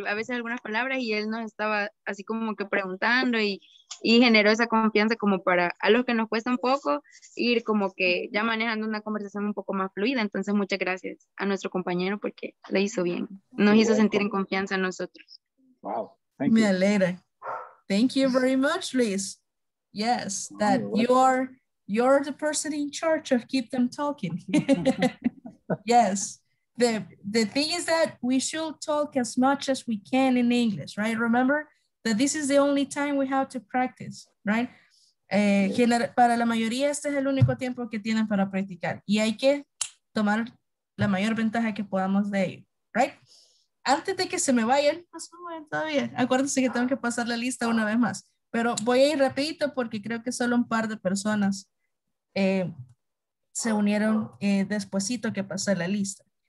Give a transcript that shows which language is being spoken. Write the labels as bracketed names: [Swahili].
[Spanish] A veces algunas palabras, y él nos estaba así como que preguntando y generó esa confianza como para a los que nos cuesta un poco ir como que ya manejando una conversación un poco más fluida. Entonces muchas gracias a nuestro compañero porque le hizo bien, nos hizo sentir en confianza a nosotros. [English] Wow, thank you. [Spanish] Me alegra. [English] Thank you very much, Liz. Yes, that you're the person in charge of keep them talking. Yes. The thing is that we should talk as much as we can in English, right? Remember that this is the only time we have to practice, right? [Spanish] Para la mayoría, este es el único tiempo que tienen para practicar. Y hay que tomar la mayor ventaja que podamos de ello, right? Antes de que se me vayan, todavía, acuérdense que tengo que pasar la lista una vez más. Pero voy a ir rapidito porque creo que solo un par de personas se unieron despuesito que pasé la lista.